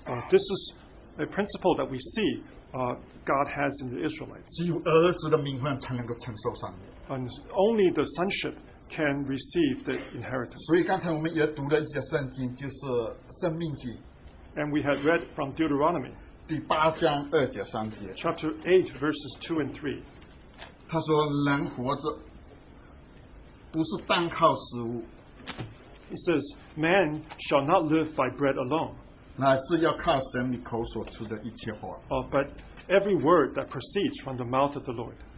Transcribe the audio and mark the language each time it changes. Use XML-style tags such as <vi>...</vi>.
<en>this is a principle that we see God has in the Israelites.</en> <zh>只有儿子的名分才能够承受上帝。</zh> <en>And only the sonship can receive the inheritance. And we had read from Deuteronomy,</en> <zh>第八章二节三节,</zh> <en>chapter 8, verses 2 and 3.</en> <zh>他说, 人活着不是单靠食物,</zh> <en>he says, man shall not live by bread alone,</en> <zh>乃是要靠神你口所出的一切话,</zh> <en>but every word that proceeds from the mouth of the Lord.</en>